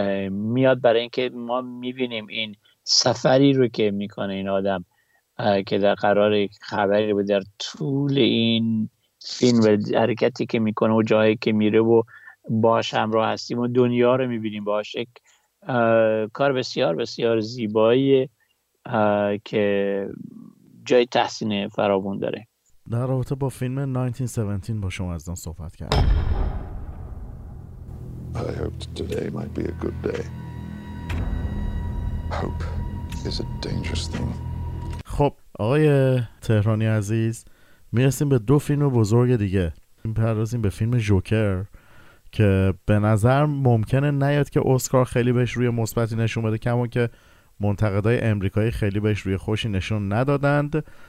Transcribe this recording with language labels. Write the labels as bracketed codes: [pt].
[fa] میاد برای اینکه ما میبینیم این سفری رو که میکنه این آدم که در قرار خبری بود در طول این فیلم و حرکتی که میکنه و جایی که میره و باش همراه هستیم و دنیا رو میبینیم باش. کار بسیار بسیار زیباییه که جای تحسین فراوان داره. در رابطه با فیلم 1917 با شما از دان صحبت کردم. [en] I hoped today might be a good day. Hope is a dangerous thing. [fa] خب آقای تهرانی عزیز، میرسیم به دو فیلم بزرگ دیگه. میپردازیم به فیلم جوکر که به نظر ممکنه نیاد که اسکار خیلی بهش روی مثبتی نشون بده، کما که منتقدای امریکایی خیلی بهش روی خوشی نشون ندادند.